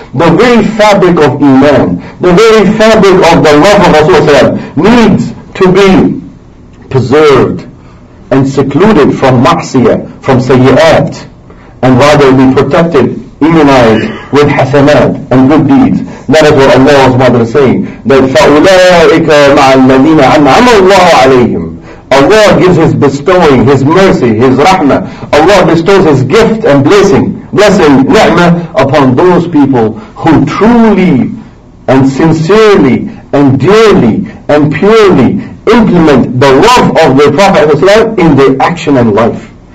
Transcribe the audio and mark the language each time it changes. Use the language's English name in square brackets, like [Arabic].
[English] The very fabric of iman, the very fabric of the love of Rasulullah needs to be preserved and secluded from ma'siyah, from sayyi'at. And rather be protected, immunized with hasanat and good deeds. That is what Allah is saying. [Arabic] That فَأُولَٰئِكَ مَعَ الَّذِينَ عَمَّ اللَّهُ عَلَيْهِمْ. [English] Allah gives His bestowing, His mercy, His rahmah. Allah bestows His gift and blessing, ni'mah upon those people who truly and sincerely and dearly and purely implement the love of the Prophet in their action and life.